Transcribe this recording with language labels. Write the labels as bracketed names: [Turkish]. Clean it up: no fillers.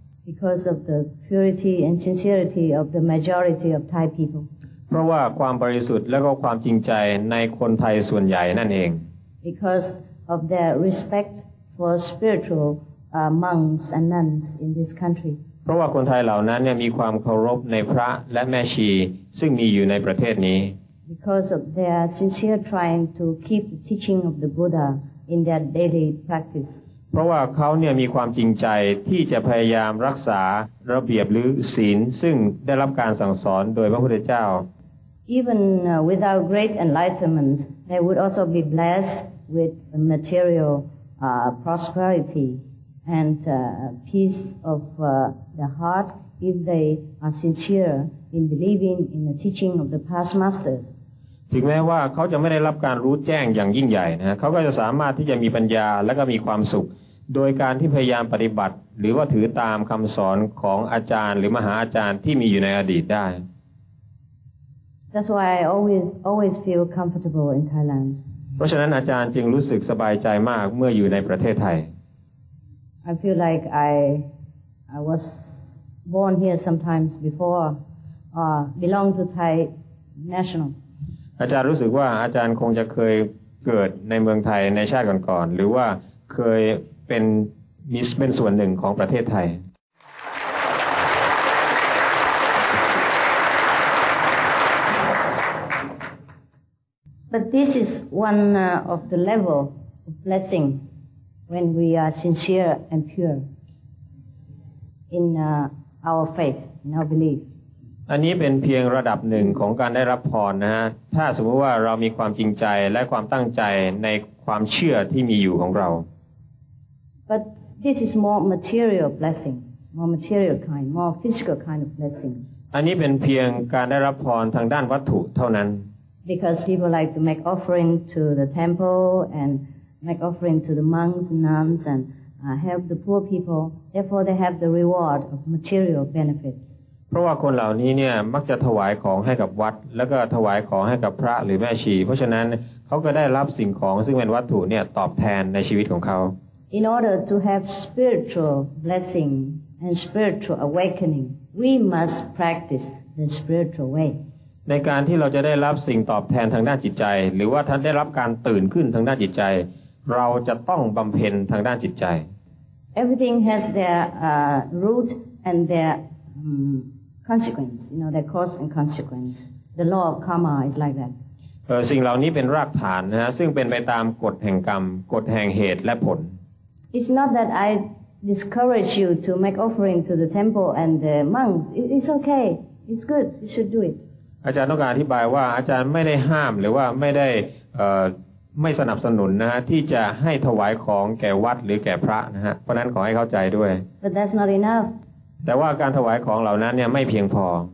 [English] Because of the purity and sincerity of the majority of Thai people [Thai] เพราะว่าความบริสุทธิ์และก็ความจริงใจในคนไทยส่วนใหญ่นั่นเอง [English] Because of their respectfor spiritual monks and nuns in this country [Thai] เพราะว่าคนไทยเหล่านั้นเนี่ยมีความเคารพในพระและแม่ชีซึ่งมีอยู่ในประเทศนี้ [English] because of their sincere trying to keep the teaching of the Buddha in their daily practice [Thai] เพราะว่าเขาเนี่ยมีความจริงใจที่จะพยายามรักษาระเบียบหรือศีลซึ่งได้รับการสั่งสอนโดยพระพุทธเจ้า [English] even without great enlightenment they would also be blessed with the materialprosperity and peace of the heart if they are sincere in believing in the teaching of the past masters [Thai] ถึงแม้ว่าเขาจะไม่ได้รับการรู้แจ้งอย่างยิ่งใหญ่นะเขาก็จะสามารถที่จะมีปัญญาและก็มีความสุขโดยการที่พยายามปฏิบัติหรือว่าถือตามคำสอนของอาจารย์หรือมหาอาจารย์ที่มีอยู่ในอดีตได้ [English] That's why I always feel comfortable in Thailand [Thai] เพราะฉะนั้นอาจารย์จึงรู้สึกสบายใจมากเมื่ออยู่ในประเทศไทย [English] I feel like I was born here sometimes before belong to Thai national [Thai] อาจารย์รู้สึกว่าอาจารย์คงจะเคยเกิดในเมืองไทยในชาติก่อนๆหรือว่าเคยเป็นส่วนหนึ่งของประเทศไทย [English] But this is one of the level of blessing when we are sincere and pure in our faith, in our belief. [Thai] อันนี้เป็นเพียงระดับหนึ่งของการได้รับพรนะฮะถ้าสมมติว่าเรามีความจริงใจและความตั้งใจในความเชื่อที่มีอยู่ของเรา [English] But this is more material blessing, more material kind, more physical kind of blessing. [Thai] อันนี้เป็นเพียงการได้รับพรทางด้านวัตถุเท่านั้น [English] Because people like to make offering to the temple and make offering to the monks and nuns and help the poor people. Therefore, they have the reward of material benefits. [Thai] เพราะว่าคนเหล่านี้เนี่ยมักจะถวายของให้กับวัดแล้วก็ถวายของให้กับพระหรือแม่ชีเพราะฉะนั้นเขาก็ได้รับสิ่งของซึ่งเป็นวัตถุเนี่ยตอบแทนในชีวิตของเขา [English] In order to have spiritual blessing and spiritual awakening, we must practice the spiritual way. [Thai] ในการที่เราจะได้รับสิ่งตอบแทนทางด้านจิตใจหรือว่าท่านได้รับการตื่นขึ้นทางด้านจิตใจเราจะต้องบำเพ็ญทางด้านจิตใจ [English] Everything has their root and their consequence, you know, their cause and consequence. The law of karma is like that. [Thai] สิ่งเหล่านี้เป็นรากฐานนะฮะซึ่งเป็นไปตามกฎแห่งกรรมกฎแห่งเหตุและผล [English] It's not that I discourage you to make offering to the temple and the monks. It's okay. It's good. You should do it. [Thai] อาจารย์ต้องการอธิบายว่าอาจารย์ไม่ได้ห้ามหรือว่าไม่ได้ไม่สนับสนุนนะฮะที่จะให้ถวายของแก่วัดหรือแก่พระนะฮะเพราะนั้นขอให้เข้าใจด้วย [English] But that's not enough [Thai] แต่ว่าการถวายของเหล่านั้นเนี่ยไม่เพียงพอ